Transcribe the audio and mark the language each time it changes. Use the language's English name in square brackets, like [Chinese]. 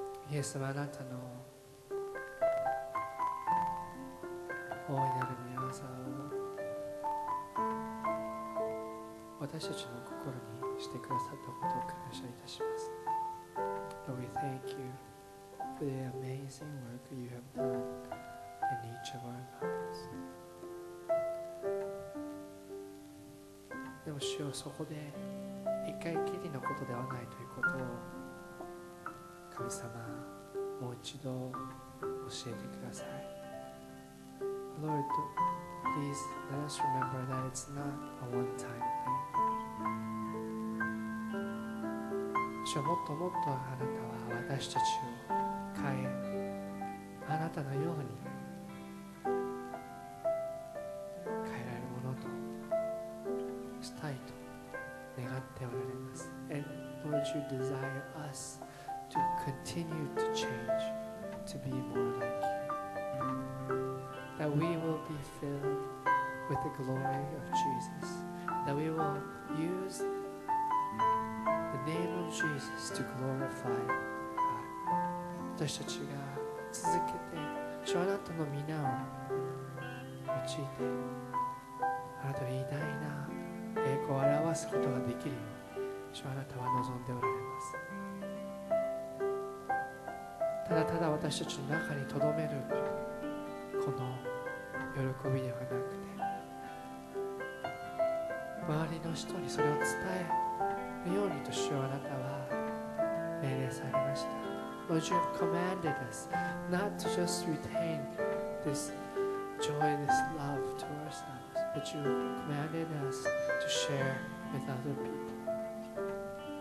[Japanese] イエス様、あなたの大いなる御業を私たちの心にしてくださったことを感謝いたします。 [English] Lord, we thank you for the amazing work you have done in each of our lives. [Japanese] でも主よそこで一回きりのことではないということを神様もう一度教えてください。 [English] Lord, please let us remember that it's not a one-time thing. [Japanese] 主よもっともっとあなたは私たちを変え、あなたのように変えられるものとしたいと願っておられます。 [English] And Lord, you desire us to continue to change, to be more like you. That we will be filled with the glory of Jesus. That we will use the name of Jesus to glorify God. [Japanese] 私たちが続けて、主あなたの皆を用いて、あなたの偉大な栄光を表すことができるように、主あなたは望んでおられます。ただただ私たちの中に留めるこの喜びではなくて、周りの人にそれを伝えるようにと主よあなたは命令されました。 [English] Lord, you have commanded us not to just retain this joy, this love to ourselves, but you have commanded us to share with other people.